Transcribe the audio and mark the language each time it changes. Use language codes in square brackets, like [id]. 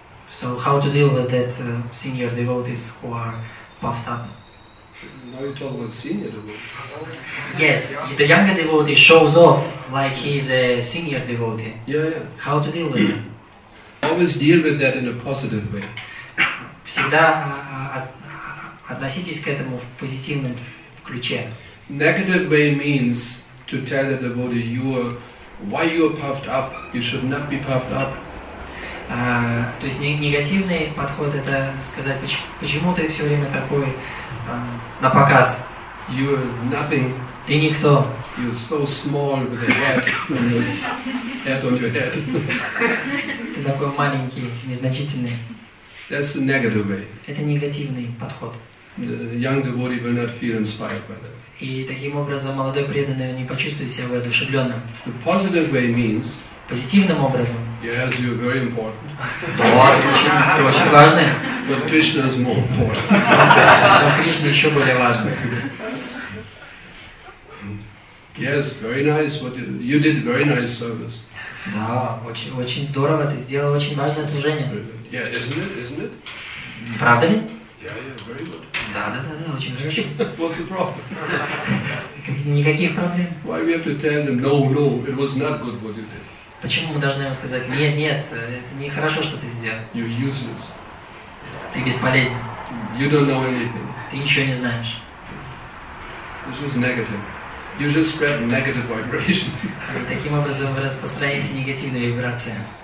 [en] So how to deal with that senior devotees who are puffed up? Now you talk about senior devotees. Yes, the younger devotee shows off like he's a senior devotee. Yeah. How to deal with that? Always deal with that in a positive way. [ru] Всегда относитесь к этому в позитивном ключе. [en] Negative way means to tell the devotee why you are puffed up. You should not be puffed up. [ru] То есть негативный подход это сказать, почему ты все время такой на показ. [en] You are nothing. [ru] Ты никто. [en] You are so small with a head on your head. [ru] Ты такой маленький, незначительный. [en] That's the negative way. [ru] Это негативный подход. [en] The young devotee will not feel inspired by that. [ru] И таким образом молодой преданный не почувствует себя воодушевленным. [en] The positive way means. [ru] Позитивным образом. [en] Yes, you are very important. [ru] Да, ты очень важный. [en] But Krishna is more important. [ru] Но Кришна еще более важный. [en] Yes, very nice. What you did very nice service. [ru] Да, очень, очень здорово. Ты сделал очень важное служение. [en] Yeah, isn't it? [ru] Правда ли? [en] Yeah, very good. [ru] Да, очень хорошо. [en] What's the problem? [ru] Никаких проблем. [en] Why we have to tell them no, it was not good what you did. [ru] Почему мы должны им сказать нет, это не хорошо, что ты сделал. [en] You're useless. [ru] Ты бесполезен. [en] You don't know anything. [ru] Ты ничего не знаешь. [en] It's just negative. You just spread negative vibration. [ru] Таким образом вы распространяете негативные вибрации.